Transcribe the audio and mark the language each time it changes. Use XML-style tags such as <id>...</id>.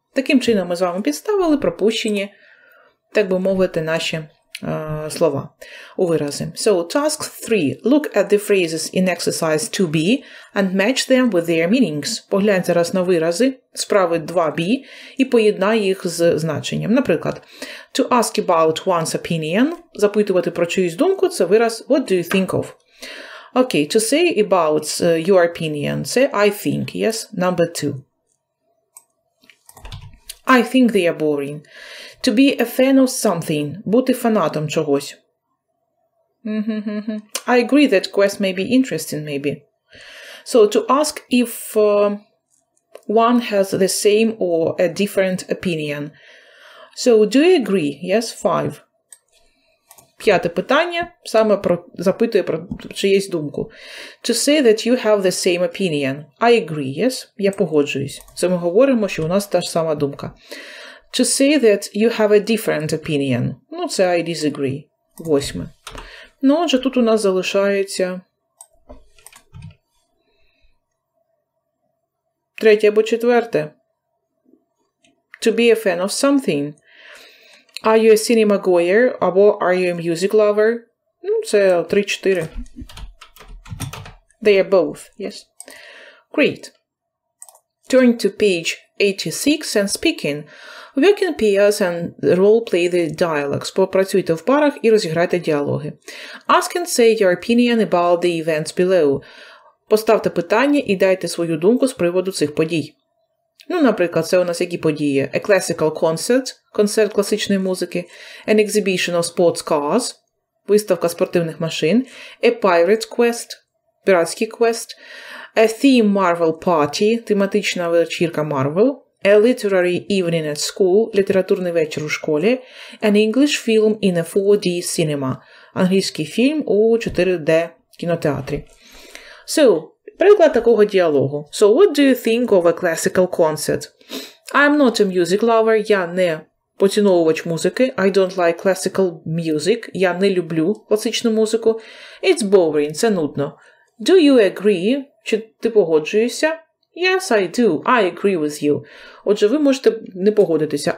<uk>Таким чином ми з вами підставили пропущені, так би мовити, наші слова у вирази.</uk> <en>So, task 3. Look at the phrases in exercise 2b and match them with their meanings.</en> <uk>Поглянь зараз на вирази справи 2b і поєднай їх з значенням. Наприклад,</uk> <en>to ask about one's opinion,</en> <uk>запитувати про чиюсь думку, це вираз</uk> <en>what do you think of? Okay, to say about your opinion, say I think, yes, number 2. I think they are boring. To be a fan of something,</en> <uk>бути фанатом чогось.</uk> <en>I agree that quests may be interesting, maybe. So to ask if one has the same or a different opinion. So do you agree? Yes, five.</en> <uk>П'яте питання саме про запитує про чиєсь думку.</uk> <en>To say that you have the same opinion. I agree, yes.</en> <uk>Я погоджуюсь. Це ми говоримо, що у нас та ж сама думка.</uk> <en>To say that you have a different opinion.</en> <uk>Ну, це</uk> <en>I disagree.</en> <uk>Восьме. Ну, отже, тут у нас залишається третє або четверте.</uk> <en>To be a fan of something. Are you a cinema goer? Або are you a music lover?</en> <uk>Ну, це 3-4.</uk> <en>They are both, yes. Great. Turn to page 86 and speaking. Working peers and role play the dialogues.</en> <uk>Попрацюйте в парах і розіграйте діалоги.</uk> <en>Ask and say your opinion about the events below.</en> <uk>Поставте питання і дайте свою думку з приводу цих подій. Ну, наприклад, це у нас які події?</uk> <en>A classical concert,</en> <uk>концерт класичної музики,</uk> <en>an exhibition of sports cars,</en> <uk>виставка спортивних машин,</uk> <en>a pirate quest,</en> <uk>піратський квест,</uk> <en>a theme Marvel party,</en> <uk>тематична вечірка Marvel,</uk> <en>a literary evening at school,</en> <uk>літературний вечір у школі,</uk> <en>an English film in a 4D cinema,</en> <uk>англійський фільм у 4D кінотеатрі. So, приклад такого діалогу.</uk> <en>So, what do you think of a classical concert? I'm not a music lover.</en> <uk>Я не поціновувач музики.</uk> <en>I don't like classical music.</en> <uk>Я не люблю класичну музику.</uk> <en>It's boring.</en> <uk>Це нудно.</uk> <en>Do you agree?</en> <uk>Чи ти погоджуєшся?</uk> <en>Yes, I do. I agree with you.</en> <uk>Отже, ви можете не погодитися.</uk>